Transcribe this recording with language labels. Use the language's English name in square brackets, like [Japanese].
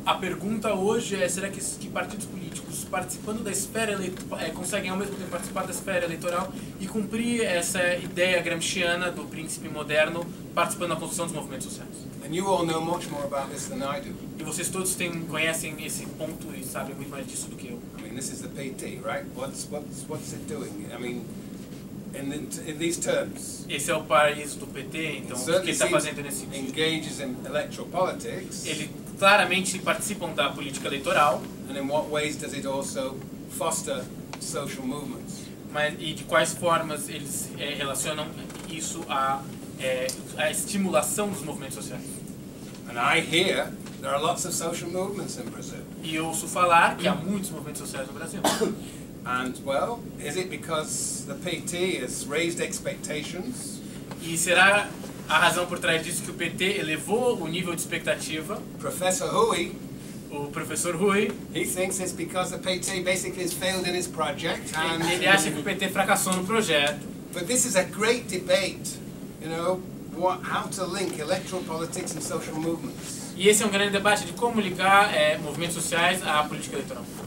[Portuguese] A pergunta hoje é, será que esses partidos políticos participando da esfera conseguem ao mesmo tempo participar da esfera eleitoral e cumprir essa ideia gramsciana do príncipe moderno participando da construção dos movimentos sociais? [English] And you all know much more about this than I do. [Portuguese] E vocês todos conhecem esse ponto e sabem muito mais disso do que eu. [English] I mean, this is the PT, right? What's it doing? I mean, in these terms. [Portuguese] Esse é o país do PT, então o que está fazendo nesse sentido? [English] Engages in electoral politics. [Portuguese] Ele claramente participa da política eleitoral. [English] And in what ways does it also foster social movements? [Portuguese] Mas e de quais formas eles relacionam isso à estimulação dos movimentos sociais? [English] And I hear there are lots of social movements in Brazil. [Portuguese] E eu ouço falar que há muitos movimentos sociais no Brasil. [English] And well, is it because the PT has raised expectations? [Portuguese] E será a razão por trás disso que o PT elevou o nível de expectativa? [English] Professor Rui. [Portuguese] O professor Rui. [English] He thinks it's because the PT basically has failed in his project. And [Portuguese] ele acha que o PT fracassou no projeto. [English] But this is a great debate, you know, how to link electoral politics and social movements. [Portuguese] E esse é um grande debate de como ligar movimentos sociais à política eleitoral.